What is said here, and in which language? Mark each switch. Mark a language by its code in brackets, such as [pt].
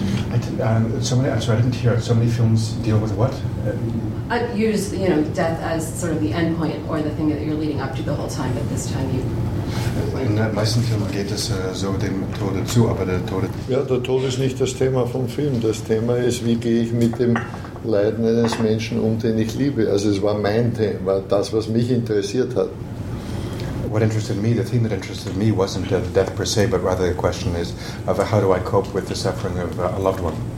[en] I didn't hear it. So many films deal with what? Use, you know, death as sort of the end point or the thing that you're leading up to the whole time, but this time you... [de] In den meisten Filmen geht es so dem Tode zu, aber der Tode... Ja, der Tod ist nicht das Thema vom Film. Das Thema ist, wie gehe ich mit dem Leiden eines Menschen um, den ich liebe. Also es war mein Thema, war das, was mich interessiert hat. [en] What interested me, the thing that interested me wasn't death per se, but rather the question is, of how do I cope with the suffering of a loved one?